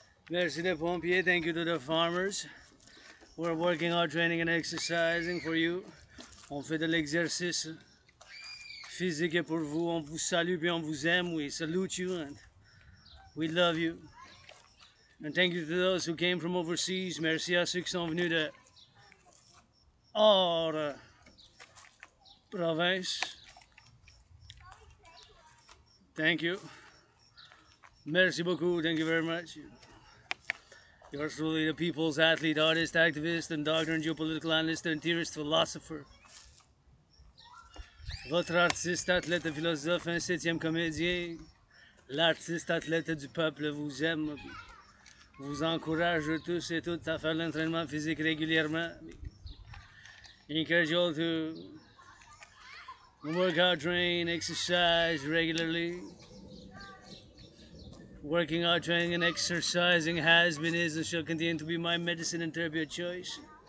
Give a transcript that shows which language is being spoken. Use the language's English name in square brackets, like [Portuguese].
[French] Merci les pompiers. [English] Thank you to the farmers. We're working our training and exercising for you. [French] On fait de l'exercice physique pour vous. On vous salue et on vous aime. [English] We salute you and we love you. And thank you to those who came from overseas. [French] Merci à ceux qui sont venus de hors province. [English] Thank you. [French] Merci beaucoup. [English] Thank you very much. You're truly the people's athlete, artist, activist, and doctor, and geopolitical analyst, and theorist, philosopher. [French] Votre artiste, athlète, philosophe, un septième comédien. L'artiste, athlète du peuple vous aime. Vous encourage tous et toutes à faire l'entraînement physique régulièrement. [English] Encourage you all to work out, train, exercise regularly. Working out, training, and exercising has been, is, and shall continue to be my medicine and therapy of choice.